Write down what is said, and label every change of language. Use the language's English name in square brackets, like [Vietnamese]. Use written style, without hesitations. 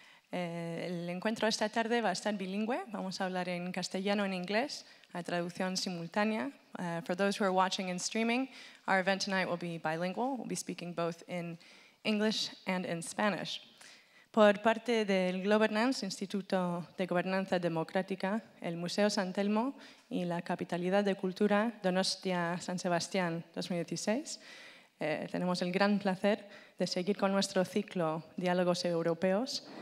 [Spanish] El encuentro esta tarde va a estar bilingüe. Vamos a hablar en castellano en inglés, a traducción simultánea. [English] For those who are watching and streaming, our event tonight will be bilingual. We'll be speaking both in English and in Spanish. [Spanish] Por parte del Governance, Instituto de Gobernanza Democrática, el Museo San Telmo y la Capitalidad de Cultura Donostia-San Sebastián 2016, tenemos el gran placer de seguir con nuestro ciclo Diálogos Europeos.